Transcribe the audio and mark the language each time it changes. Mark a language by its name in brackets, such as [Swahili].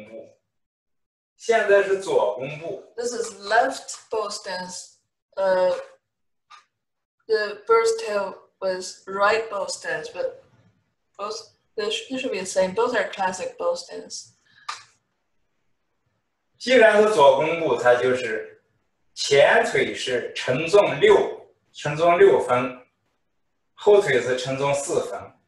[Chinese] 刚刚按的时候是右弓步，现在是左弓步。 [English] This is left bow stance. The bird's tail was right bow stance, but both this should be the same. Both are classic bow stance. [Chinese] 既然是左弓步，它就是前腿是承重六分，后腿是承重四分。